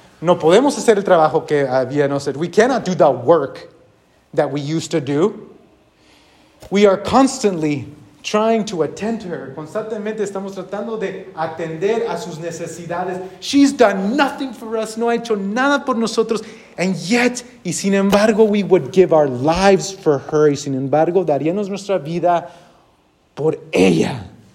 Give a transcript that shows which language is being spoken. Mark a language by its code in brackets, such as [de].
[es] No podemos hacer el trabajo que había no hacer. [en] We cannot do the work that we used to do. We are constantly trying to attend to her. [es] Constantemente estamos tratando de atender a sus necesidades. [en] She's done nothing for us. [es] No ha hecho nada por nosotros. [en] And yet, [es] y sin embargo, [en] we would give our lives for her. [es] Y sin embargo, daríamos nuestra vida por ella.